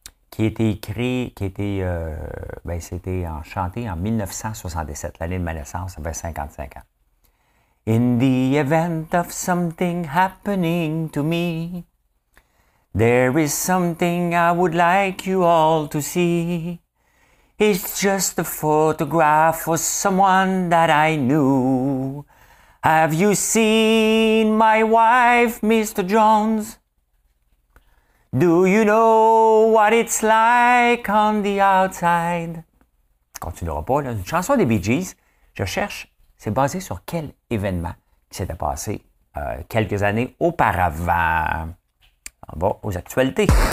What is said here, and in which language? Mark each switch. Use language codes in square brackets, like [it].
[fr] Qui a été écrit, c'était enchanté en 1977, l'année de ma naissance, ça fait 55 ans. [en] In the event of something happening to me, there is something I would like you all to see. It's just a photograph of someone that I knew. Have you seen my wife, Mr. Jones? Do you know what it's like on the outside? [fr] Continuera pas, là. Une chanson des Bee Gees. Je cherche, c'est basé sur quel événement qui s'était passé quelques années auparavant. On va aux actualités.